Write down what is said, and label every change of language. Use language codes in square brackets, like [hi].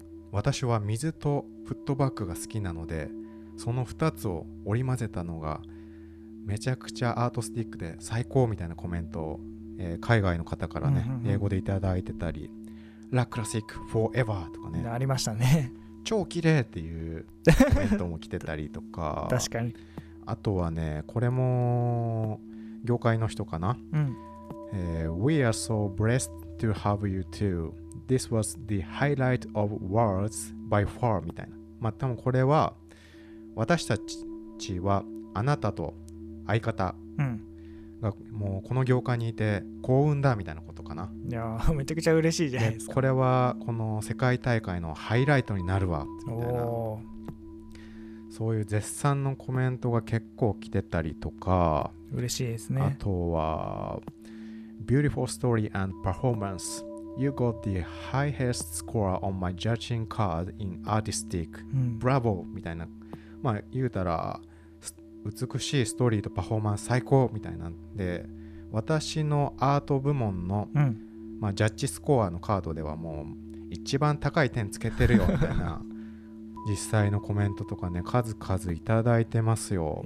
[ja] 私は水とフットバックが好きなのでその2つを織り交ぜたのがめちゃくちゃアートスティックで最高みたいなコメントを、海外の方からね、うんうんうん、英語でいただいてたり、ラクラシックフォーエバーとかね、ありましたね、超綺麗っていうコメントも来てたりとか確かに、あとはねこれも業界の人かな、うん、 [en] We are so blessed to have you too. This was the highlight of worlds by far [ja] みたいな、まあ多分これは私たちはあなたと相方がもうこの業界にいて幸運だみたいなことかな。いやめちゃくちゃ嬉しいじゃないですか。これはこの世界大会のハイライトになるわみたいな、そういう絶賛のコメントが結構来てたりとか、嬉しいですね。あとは [en] Beautiful story and performance. You got the highest score on my judging card in artistic. [ja] Bravo みたいな、まあ、言うたら美しいストーリーとパフォーマンス最高みたいなんで、私のアート部門の、うん、まあ、ジャッジスコアのカードではもう一番高い点つけてるよみたいな実際のコメントとかね、数々いただいてますよ。